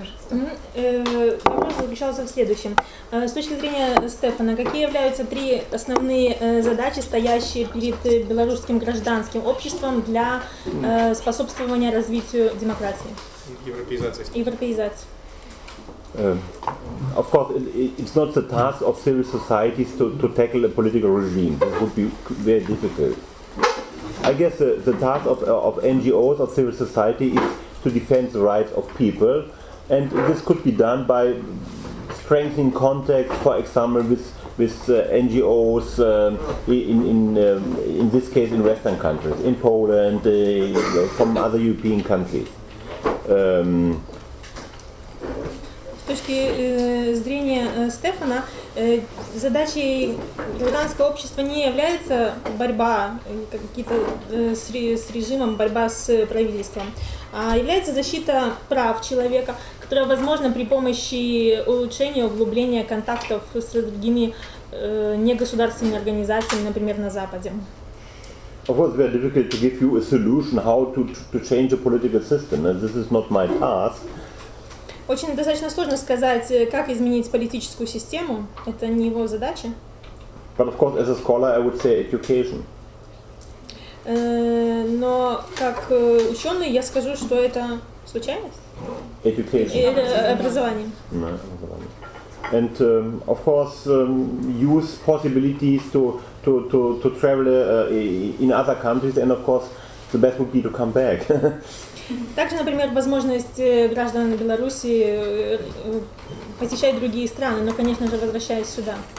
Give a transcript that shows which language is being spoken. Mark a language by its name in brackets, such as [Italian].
[Russian] Вопрос заключался в следующем. С точки зрения Стефана, какие являются три основные задачи, стоящие перед белорусским гражданским обществом для способствования развитию демократии? Европеизации. [English] Of course, it's not the task of civil societies to tackle a political regime. That would be very difficult. I guess the task of NGOs, of civil society, is to defend the rights of people. And this could be done by strengthening contact, for example, with NGOs in this case in Western countries, in Poland, from other European countries. [Russian] С точки зрения Стефана, задачей гражданского общества не является борьба какие-то с режимом, борьба с правительством, а является защита прав человека, которая возможна при помощи улучшения, углубления контактов с другими негосударственными организациями, например, на Западе. [English] Of course, it's very difficult to give you a solution how to change the political system. And this is not my task. [Russian] Очень достаточно сложно сказать, как изменить политическую систему. Это не его задача. [English] But of course, as a scholar, I would say education. [Russian] Но как ученый я скажу, что это случайность. [English] Education. [Russian] Образование. [English] And of course, use possibilities to travel in other countries, and of course, the best would be to come back. [Russian] Также, например, возможность граждан Беларуси посещать другие страны, но, конечно же, возвращаясь сюда.